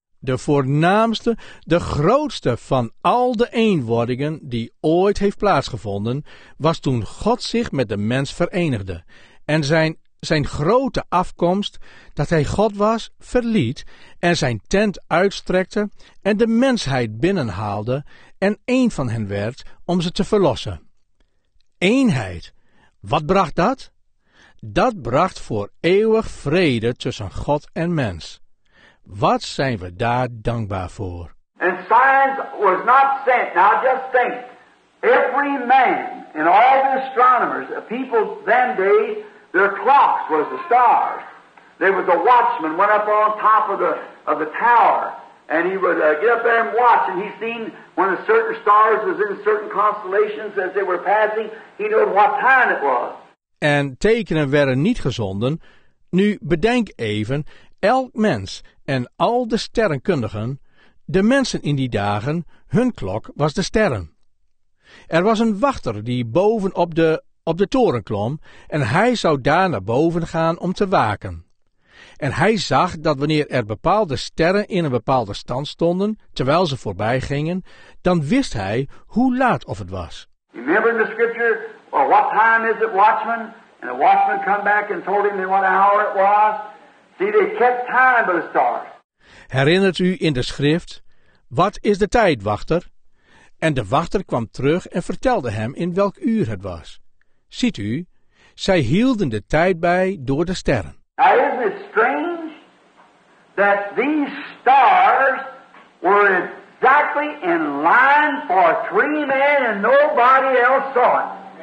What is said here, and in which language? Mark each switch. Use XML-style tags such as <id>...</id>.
<nl>De voornaamste, de grootste van al de eenwordingen die ooit heeft plaatsgevonden, was toen God zich met de mens verenigde en zijn grote afkomst, dat hij God was, verliet en zijn tent uitstrekte en de mensheid binnenhaalde en één van hen werd om ze te verlossen. Eenheid, wat bracht dat? Dat bracht voor eeuwig vrede tussen God en mens. Wat zijn we daar dankbaar voor?</nl> <en>And signs was not sent. Now just think. Every man and all the astronomers, the people then day, their clocks was the stars. There was a watchman went up on top of the tower. And he would get up there and watch. And he seen when a certain stars was in certain constellations as they were passing. He knew what time it was.</en> <nl>En tekenen werden niet gezonden. Nu bedenk even, elk mens en al de sterrenkundigen, de mensen in die dagen, hun klok was de sterren. Er was een wachter die boven op de toren klom en hij zou daar naar boven gaan om te waken. En hij zag dat wanneer er bepaalde sterren in een bepaalde stand stonden, terwijl ze voorbij gingen, dan wist hij hoe laat of het was.</nl> <en>Remember in the scripture? Well, what time is it, watchman? And the watchman come back and told him what hour it was. See, they kept time by the stars.</en> <nl>Herinnert u in de schrift, wat is de tijd, wachter? En de wachter kwam terug en vertelde hem in welk uur het was. Ziet u, zij hielden de tijd bij door de sterren.</nl> <en>Now, isn't it strange that these stars were exactly in line for three men and nobody else saw it?</en>